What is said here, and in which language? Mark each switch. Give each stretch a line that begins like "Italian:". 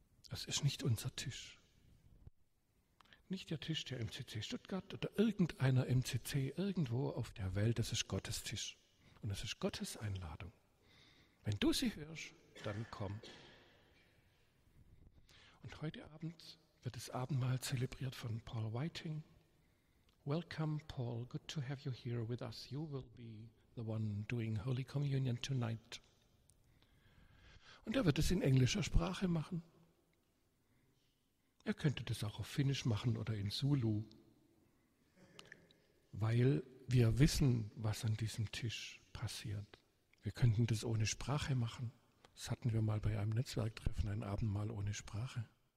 German: Das ist nicht unser Tisch. Nicht der Tisch der MCC Stuttgart oder irgendeiner MCC irgendwo auf der Welt, das ist Gottes Tisch. Und es ist Gottes Einladung. Wenn du sie hörst, dann komm. Und heute Abend wird das Abendmahl zelebriert von Paul Whiting.
English: Welcome, Paul. Good to have you here with us. You will be the one doing Holy Communion tonight.
German: Und er wird es in englischer Sprache machen. Er könnte das auch auf Finnisch machen oder in Zulu. Weil wir wissen, was an diesem Tisch passiert. Wir könnten das ohne Sprache machen. Das hatten wir mal bei einem Netzwerktreffen, ein Abendmahl ohne Sprache.